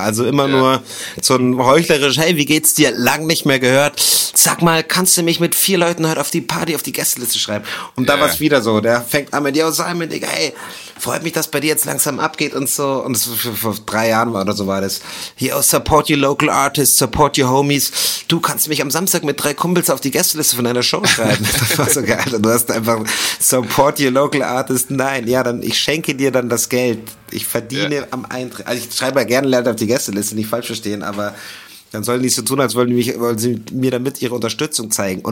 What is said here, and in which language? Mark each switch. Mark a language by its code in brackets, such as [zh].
[de] Also immer nur so ein heuchlerisch, hey, wie geht's dir? Lang nicht mehr gehört. Sag mal, kannst du mich mit 4 Leuten heute auf die Party, auf die Gästeliste schreiben? Und da war's wieder so. Der fängt an mit, yo, Simon, Digga, hey, freut mich, dass bei dir jetzt langsam abgeht und so. Und das vor 3 Jahren war oder so war das. [en] Yo, support your local artists, support your homies. [de] Du kannst mich am Samstag mit 3 Kumpels auf die Gästeliste von deiner Show schreiben. Das war so geil. Du hast einfach [en] support your local artists. [de] Nein, ja, dann ich schenke dir dann das Geld. Ich verdiene am Eintritt. Also ich schreibe ja gerne Leute auf die Gästeliste, nicht falsch verstehen, aber dann sollen die so tun, als wollen sie mir damit ihre Unterstützung zeigen.